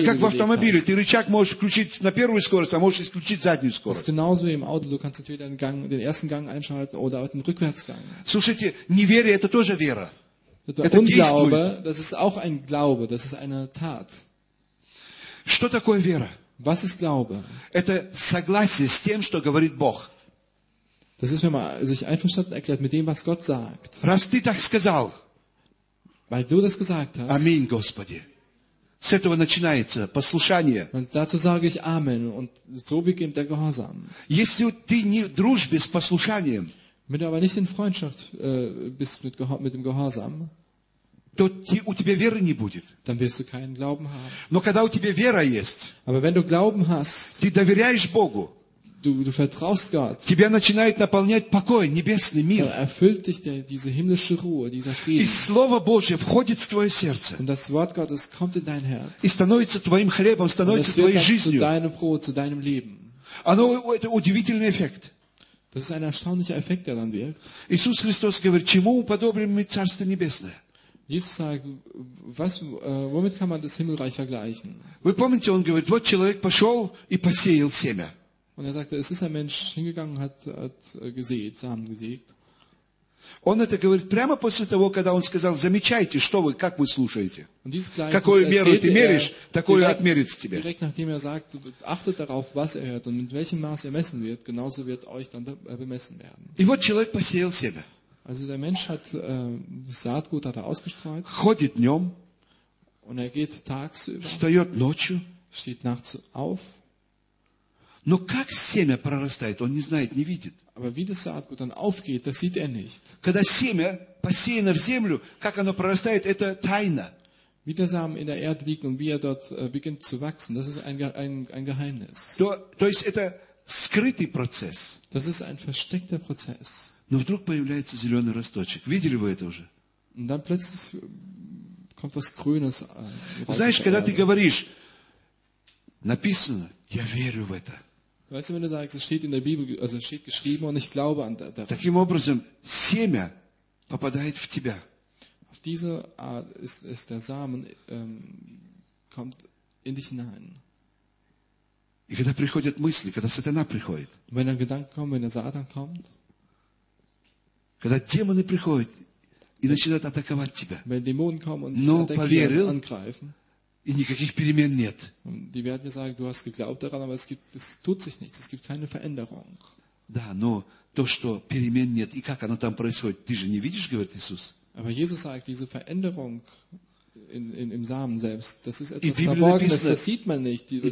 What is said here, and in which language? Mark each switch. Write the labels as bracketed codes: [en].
[de] gelegt hast. [ru] Это как в автомобиле. Ты рычаг можешь включить на первую скорость, а можешь исключить заднюю скорость. [de] Das ist genauso wie im Auto. Du kannst entweder den ersten Gang einschalten oder den Rückwärtsgang. [ru] Слушайте, неверие – это тоже вера. [de] Это Unglaube, das ist auch ein Glaube, das ist eine Tat. [ru] Что такое вера? [de] Was ist Glaube? [ru] Это согласие с тем, что говорит Бог. [de] Das ist, wenn man sich einverstanden erklärt mit dem, was Gott sagt. [ru] Раз ты так сказал. [de] Weil du das gesagt hast. [ru] Amen, Господи. С этого начинается послушание. [de] Und dazu sage ich Amen, und so beginnt der Gehorsam. [ru] Если ты не в дружбе с послушанием, [de] wenn du aber nicht in Freundschaft bist mit dem Gehorsam, [ru] то у тебя веры не будет. [de] Dann wirst du keinen Glauben haben. [ru] Но когда у тебя вера есть, [de] aber wenn du Glauben hast, [ru] ты доверяешь Богу, [de] du vertraust Gott, [ru] тебя начинает наполнять покой, небесный мир. [de] Dann erfüllt dich diese himmlische Ruhe, dieser Frieden. [ru] И Слово Божье входит в твое сердце. [de] Und das Wort Gottes kommt in dein Herz. [ru] И становится твоим хлебом, становится твоей жизнью. [de] Zu deinem Brot, zu deinem Leben. [ru] Оно, это удивительный эффект. [de] Das ist ein erstaunlicher Effekt, der dann wirkt. [ru] Иисус Христос говорит, чему уподобим мы Царство Небесное? [de] Jesus sagt, womit kann man das Himmelreich vergleichen? [ru] Вы помните, он говорит, вот человек пошел и посеял семя. [de] Und er sagte, es ist ein Mensch hingegangen und hat gesät, Samen gesät. [ru] Он это говорит прямо после того, когда он сказал, замечайте, что вы, как вы слушаете. [de] Und dieses Gleichnis [ru] какую меру ты меришь, такую отмерится тебе. [de] Direkt nachdem er sagt, achtet darauf, was er hört und mit welchem Maß er messen wird, genauso wird euch dann bemessen werden. [ru] И вот человек посеял семя. [de] Also der Mensch hat das Saatgut hat er ausgestreut. [ru] Ходит днем. [de] Und er geht tagsüber. [ru] Встает ночью. [de] Steht nachts auf. [ru] Но как семя прорастает, он не знает, не видит. [de] Aber wie das Saatgut dann aufgeht, das sieht er nicht. [ru] Когда семя посеяно в землю, как оно прорастает, это тайна. [de] Wie der Samen in der Erde liegt und wie er dort beginnt zu wachsen, das ist ein Geheimnis. [ru] То есть это скрытый процесс. [de] Das ist ein versteckter Prozess. [ru] Но вдруг появляется зеленый росточек. Видели вы это уже? [de] Und dann plötzlich kommt was Grünes. [ru] Знаешь, когда ты говоришь, написано, я верю в это. [de] Weißt du, wenn du sagst, es steht in der Bibel, also es steht geschrieben und ich glaube an das. [ru] Таким образом, семя попадает в тебя. [de] Auf diese Art ist der Samen kommt in dich hinein. [ru] И когда приходят мысли, когда сатана приходит. [de] Wenn ein Gedanke kommt, wenn der Satan kommt. [ru] Когда демоны приходят. и начинают атаковать тебя. [de] Wenn Dämonen kommen und dich attackieren, angreifen. [ru] И никаких перемен нет. [de] Die werden dir sagen, du hast geglaubt daran, aber es tut sich nichts, es gibt keine Veränderung. [ru] Да, но то, что перемен нет, и как оно там происходит, ты же не видишь, говорит Иисус. [de] Aber Jesus sagt, diese Veränderung im Samen selbst, das ist etwas Verborgenes, das sieht man nicht.